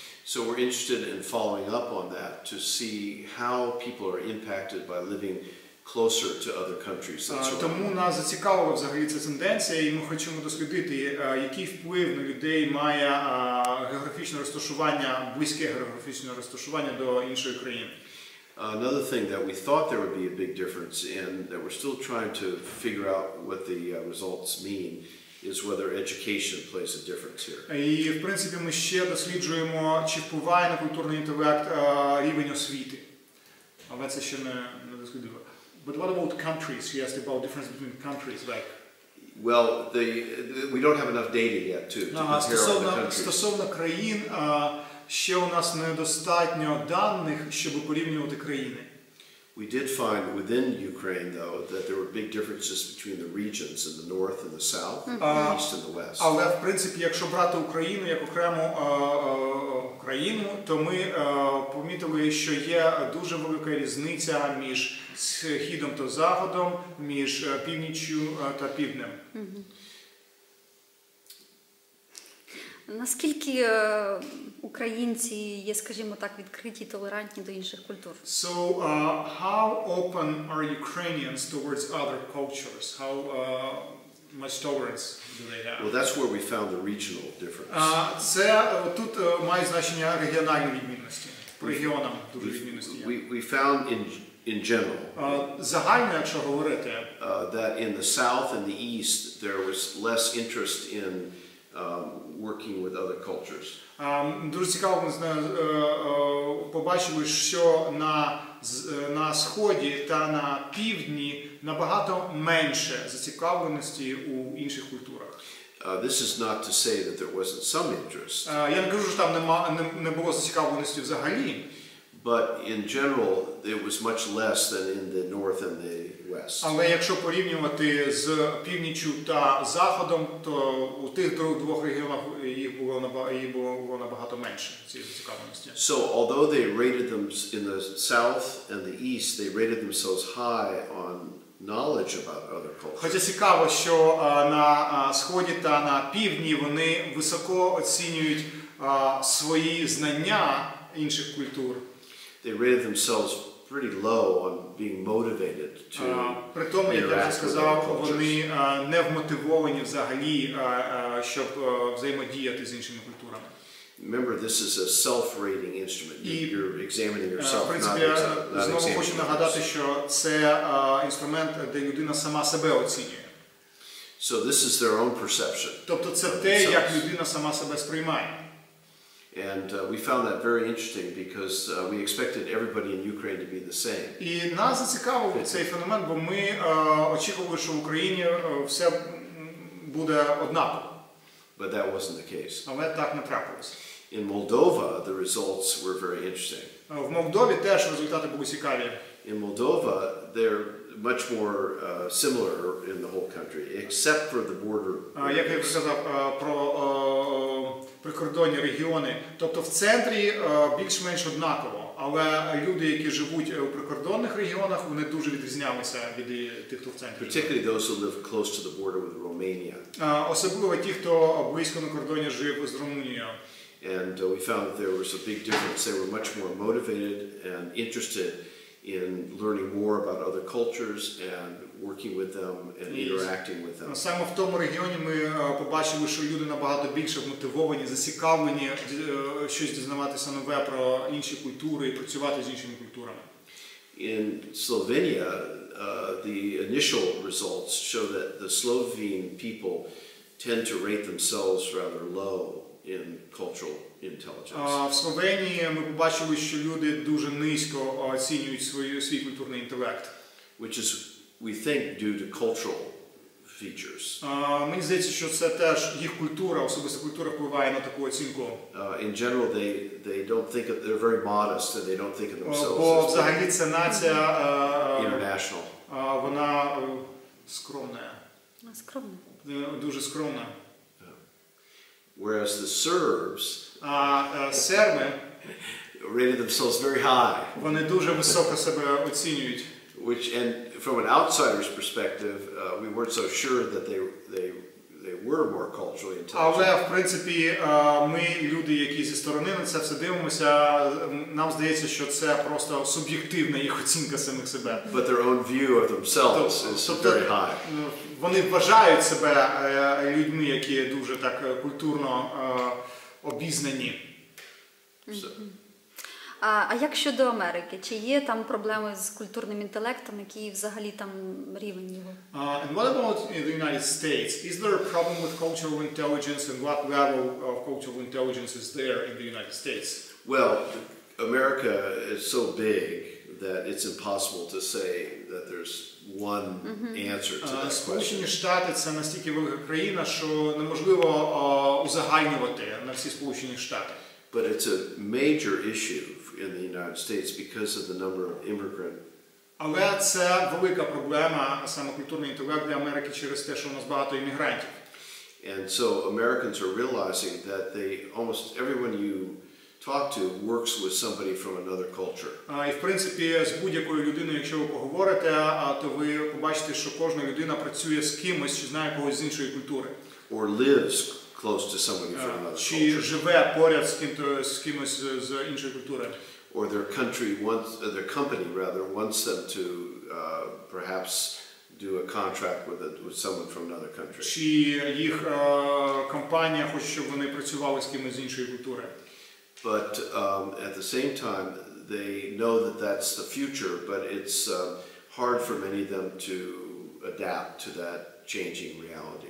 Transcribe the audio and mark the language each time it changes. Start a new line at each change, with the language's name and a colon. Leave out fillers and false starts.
English: So we're interested in following up on that to see how people are impacted by living closer to other countries.
Ukrainian: Тому нас зацікавила взагалі ця тенденція, і ми хочемо дослідити, який вплив на людей має географічне розташування, близьке географічне розташування до іншої країни.
English: Another thing that we thought there would be a big difference in, that we're still trying to figure out what the results mean, is whether education plays a difference here.
Ukrainian: І, в принципі, ми ще досліджуємо, чи впливає на культурний інтелект рівень освіти. Але це ще не дослідили.
English: But what about countries? You asked about difference between countries, like... Well, we don't have enough data yet to compare all the countries.
Ukrainian: Стосовно країн, ще у нас недостатньо даних, щоб порівнювати країни.
English: We did find within Ukraine, though, that there were big differences between the regions in the north and the south, the east and the west.
Ukrainian: Але, в принципі, якщо брати Україну як окрему країну, то ми помітили, що є дуже велика різниця між східом та заходом, між північю та півднем. Наскільки українці є, скажімо так, відкриті, толерантні до інших культур?
English: So, how open are Ukrainians towards other cultures? How much tolerance do they have? Well, that's where we found the regional difference.
Ukrainian: Це тут має значення регіональні відмінності, по регіонам дуже відмінності.
English: We found in general.
Ukrainian: Загально, якщо говорити,
English: that in the south and the east there was less interest in working with other cultures.
Ukrainian: Дуже цікаво, ми побачили, що на сході та на півдні набагато менше зацікавленості у інших культурах.
English: This is not to say that there wasn't some interest.
Ukrainian: Я не кажу, що там не було зацікавленості взагалі.
English: But in general, it was much less than in the north and the west.
Ukrainian: Але якщо порівнювати з північю та заходом, то у тих двох регіонах їх було набагато менше, цієї зацікавленості.
English: So, although they rated them in the south and the east, they rated themselves high on knowledge about other cultures.
Ukrainian: Хоча цікаво, що на сході та на півдні вони високо оцінюють свої знання інших культур.
English: They rated themselves pretty low on being motivated to
Ukrainian: при тому, як я вже сказав, вони не вмотивовані взагалі, щоб взаємодіяти з іншими культурами.
English: Remember, this is a self-rating instrument. You're examining yourself,
Ukrainian: знову хочу нагадати, що це інструмент, де людина сама себе оцінює.
English: So this is their own perception.
Ukrainian: Тобто це те, як людина сама себе сприймає.
English: And we found that very interesting because we expected everybody in Ukraine to be the same.
Ukrainian: І нас зацікавив цей феномен, бо ми очікували, що в Україні все буде однаково.
English: But that wasn't the case.
Ukrainian: Але так не трапилось.
English: In Moldova, the results were very interesting.
Ukrainian: В Молдові теж результати були цікаві.
English: In Moldova, they're much more similar in the whole country, except for the border.
Ukrainian: Як я сказав про прикордонні регіони. Тобто в центрі більш-менш однаково, але люди, які живуть у прикордонних регіонах, вони дуже відрізнялися від тих, хто в центрі.
English: Particularly those who live close to the border with Romania.
Ukrainian: Особливо ті, хто близько на кордоні жив з Румунією.
English: And we found that there was a big difference. They were much more motivated and interested in learning more about other cultures and working with them and interacting with them.
Ukrainian: Саме в тому регіоні ми побачили, що люди набагато більше мотивовані, зацікавлені щось дізнаватися нове про інші культури і працювати з іншими культурами.
English: In Slovenia, the initial results show that the Slovene people tend to rate themselves rather low in cultural intelligence.
Ukrainian: В Словенії ми побачили, що люди дуже низько оцінюють свій культурний інтелект.
English: Which is, we think, due to cultural features.
Ukrainian: Мені здається, що це теж їх культура, особисто культура впливає на таку оцінку.
English: In general, they don't think of, they're very modest and they don't think of themselves.
Ukrainian: Бо взагалі ця нація
English: international.
Ukrainian: Вона скромна. Скромна. Дуже скромна.
English: Whereas the Serbs Serbs rated themselves very high.
Ukrainian: Вони дуже високо себе оцінюють.
English: Which and from an outsider's perspective, we weren't so sure that they were more culturally intelligent.
Ukrainian: Але в принципі, ми люди, які зі сторони на це все дивимося, нам здається, що це просто суб'єктивна їх оцінка самих себе.
English: But their own view of themselves is very high.
Ukrainian: Вони вважають себе людьми, які дуже так культурно обізнані. А як щодо Америки? Чи є там проблеми з культурним інтелектом, який взагалі там рівень його?
English: And what about in the United States? Is there a problem with cultural intelligence and what level of cultural intelligence is there in the United States? Well, America is so big that it's impossible to say that there's one answer to that question.
Ukrainian: Сполучені Штати – це настільки велика країна, що неможливо узагальнювати на всі Сполучені Штати.
English: But it's a major issue in the United States because of the number of immigrant.
Ukrainian: Але це велика проблема саме культурний інтелект для Америки через те, що у нас багато іммігрантів.
English: And so Americans are realizing that they almost everyone you talk to works with somebody from another culture.
Ukrainian: І в принципі з будь-якою людиною, якщо ви поговорите, то ви побачите, що кожна людина працює з кимось, чи знає когось з іншої культури.
English: Or lives close to somebody from another culture.
Ukrainian: Чи живе поряд з кимось з іншої культури.
English: Or their country wants, their company rather, wants them to perhaps do a contract with someone from another country.
Ukrainian: Чи їх компанія хоче, щоб вони працювали з кимось з іншої культури.
English: But at the same time, they know that that's the future, but it's hard for many of them to adapt to that changing reality.